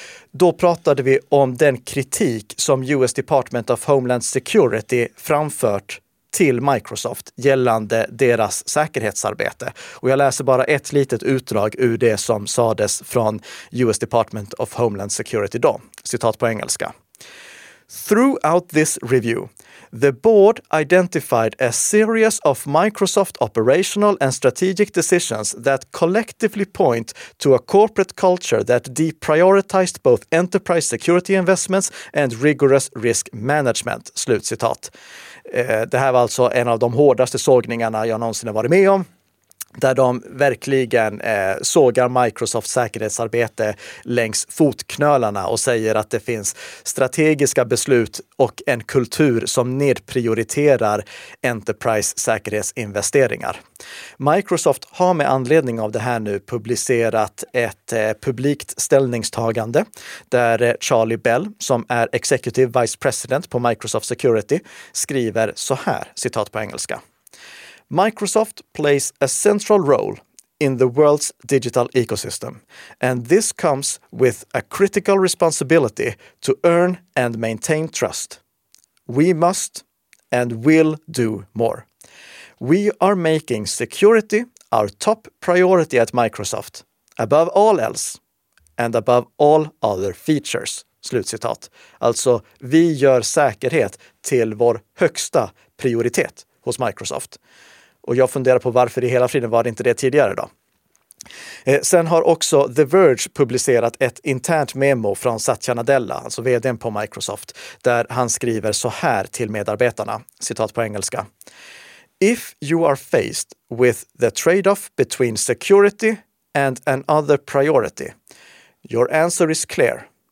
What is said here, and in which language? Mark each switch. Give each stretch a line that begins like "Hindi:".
Swedish: Då pratade vi om den kritik som US Department of Homeland Security framfört till Microsoft gällande deras säkerhetsarbete. Och jag läser bara ett litet utdrag ur det som sades från US Department of Homeland Security då. Citat på engelska.
English: Throughout this review, the board identified a series of Microsoft operational and strategic decisions that collectively point to a corporate culture that deprioritized both enterprise security investments and rigorous risk management.
Swedish: Slutcitat. Det här var alltså en av de hårdaste sågningarna jag någonsin har varit med om. Där de verkligen sågar Microsofts säkerhetsarbete längs fotknölarna och säger att det finns strategiska beslut och en kultur som nedprioriterar enterprise säkerhetsinvesteringar. Microsoft har med anledning av det här nu publicerat ett publikt ställningstagande där Charlie Bell, som är executive vice president på Microsoft Security, skriver så här, citat på engelska.
English: Microsoft plays a central role in the world's digital ecosystem, and this comes with a critical responsibility to earn and maintain trust. We must and will do more. We are making security our top priority at Microsoft, above all else, and above all other features.
Swedish: Slutcitat. Alltså, vi gör säkerhet till vår högsta prioritet hos Microsoft. Och jag funderar på varför i hela friden var det inte det tidigare då. Sen har också The Verge publicerat ett internt memo från Satya Nadella, alltså vdn på Microsoft, där han skriver så här till medarbetarna, citat på engelska.
English: If you are faced with the trade-off between security and another priority, your answer is clear.